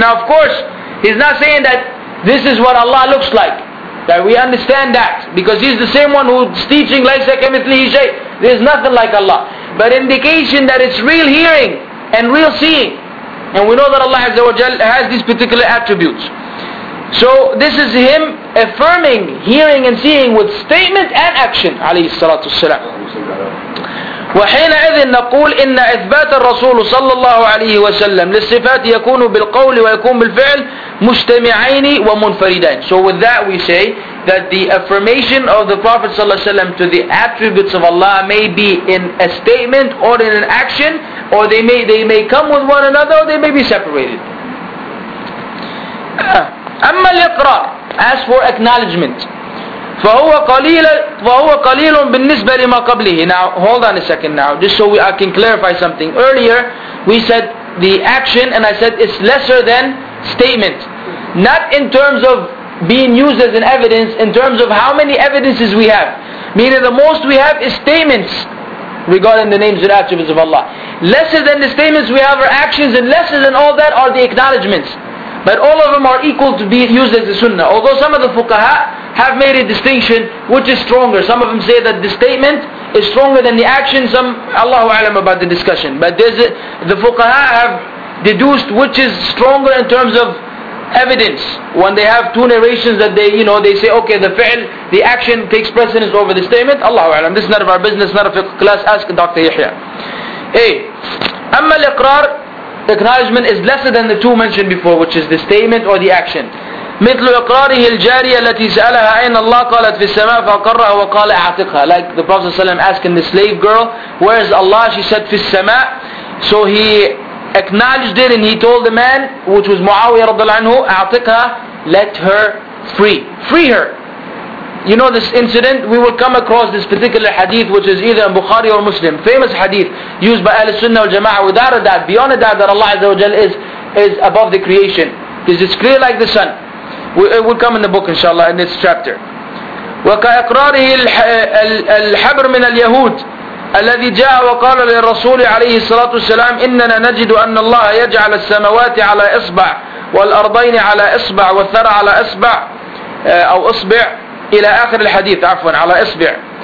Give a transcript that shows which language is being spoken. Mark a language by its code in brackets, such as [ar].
[en] Now of course, he's not saying that this is what Allah looks like, that we understand that, because he's the same one who's teaching [ar] laysa kamithlihi shay, [en] there's nothing like Allah, but indication that it's real hearing and real seeing. And we know that Allah Azza wa Jal has these particular attributes. So this is him affirming hearing and seeing with statement and action [ar] alayhi salatu wasalam. وحينئذ نقول إن إثبات الرسول صلى الله عليه وسلم للصفات يكون بالقول ويكون بالفعل مجتمعين ومنفردين. [en] So with that we say that the affirmation of the Prophet [ar] صلى الله عليه وسلم [en] to the attributes of Allah may be in a statement or in an action, or they may come with one another, or they may be separated. [ar] أما الإقرار, [en] as for acknowledgement, [ar] فهو قليل بالنسبة لما قبله. [en] Now hold on a second now, just so I can clarify something. Earlier we said the action, and I said it's lesser than statement, not in terms of being used as an evidence, in terms of how many evidences we have. Meaning the most we have is statements regarding the names and attributes of Allah. Lesser than the statements we have are actions, and lesser than all that are the acknowledgements. But all of them are equal to be used as the sunnah. Although some of the fuqaha have made a distinction, which is stronger. Some of them say that the statement is stronger than the action. Some, [ar] Allahu alam [en] about the discussion. But the fuqaha have deduced which is stronger in terms of evidence. When they have two narrations that they say, okay, the fi'l, the action takes precedence over the statement. [ar] Allahu alam. [en] This is not of our business, not of a class. Ask Dr. Yahya. Hey, [ar] amma al-iqrar, [en] acknowledgement is lesser than the two mentioned before, which is the statement or the action. [ar] مثل إقراره الجارية التي سألها أين الله قالت في السماء فأقرها وقال أعتقها. [en] Like the Prophet [ar] ﷺ [en] asking the slave girl, where is Allah? She said [ar] في السماء. [en] So he acknowledged it and he told the man, which was [ar] معاوية رضي الله عنه, أعتقها, [en] let her free. Free her. You know this incident, we will come across this particular hadith, which is either in Bukhari or Muslim. Famous hadith used by Ahl Sunnah wal Jama'ah, without a doubt, beyond a doubt, that Allah Azza wa Jal is above the creation. Because it's clear like the sun. It will come in the book, inshallah, in this chapter. [ar] وكإقراره الحبر من اليهود الذي جاء وقال للرسول عليه الصلاة والسلام إننا نجد أن الله يجعل السماوات على إصبع والأرضين على إصبع والثرى على إصبع أو إصبع إلى آخر الحديث, عفوا, على إصبع.